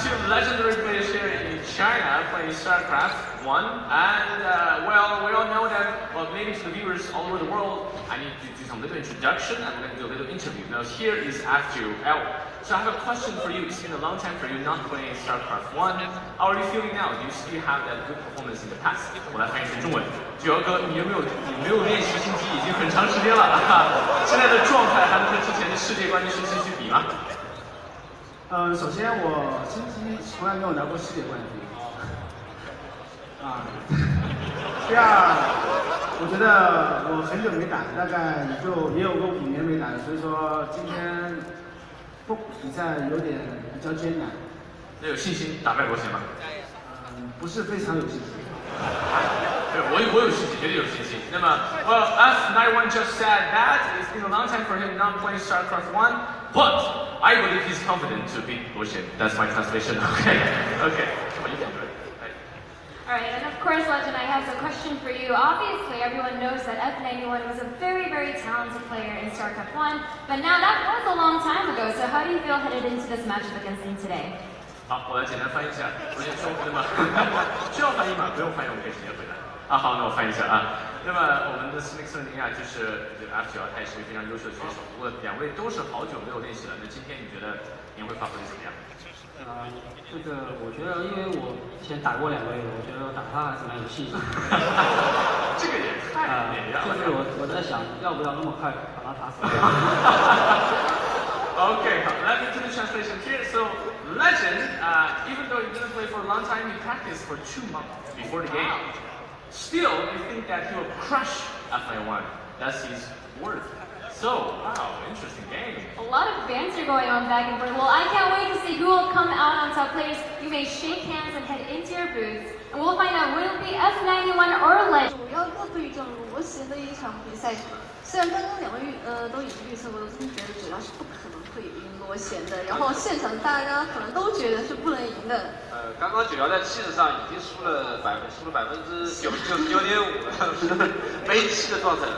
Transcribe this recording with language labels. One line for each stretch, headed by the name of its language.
English: StarCraft 1, and well, we all know that, well, maybe to the viewers all over the world, I need to do some little introduction, I'm going to do a little interview. Now, here is F2L. So I have a question for you. It's been a long time for you not playing StarCraft 1. How are you feeling now? Do you still have that good performance in the past?
Chinese: 我来翻译成中文。九幺哥，你没有练习星际已经很长时间了，现在的状态还能和之前的世界冠军星际去比吗？首先我星际从来没有拿过世界冠军。啊，第二，我觉得我很久没打，大概就也有个五年没打，所以说今天不比赛有点比较艰难。那有信心打败罗贤吗？不是非常有信心。我有信心，绝对有信心。
English: 那么 ，Well, F91 just said that it's been a long time for him not playing StarCraft 1, but I believe he's confident to beat 罗贤。 That's my translation. Okay. Alright, and of course, Legend, I have a question for you. Obviously, everyone knows that F91 was a very, very talented player in StarCraft 1, but now that was a long time ago, so how do you feel headed into this matchup against him today?
Chinese: 好，我来简单翻译一下，我先说对吗？需要翻译吗？不用翻译，我可以直接回答。啊，好，那我翻译一下啊。那么我们的 Snake 啊，就是 F91 他也是一个非常优秀的选手，不过两位都是好久没有练习了，那今天你觉得您会发挥得怎么样？这个我觉得，因为我以前打过两位，我觉得打他还是蛮有信心。这个也太就是我在想，要不要那么快把他打死
English: ？Okay, let me do the translation here. So, Legend, even though he didn't play for a long time, he practiced for 2 months before the game. Still, you think that he will crush F91? That's his word. So, wow, interesting game. A lot of banter going on back and forth. Well, I can't wait to see who will come out on top. Players, you may shake hands and head into your booths, and we'll find out will it be F91 or Legend.
Chinese: 主要各队阵容，我其的一场比赛，虽然刚刚两位都已经预测过，我真的觉得主要是不可能会赢罗贤的。然后现场大家可能都觉得是不能赢的。刚刚九幺在气势上已经输了99.5%了，悲戚的状态，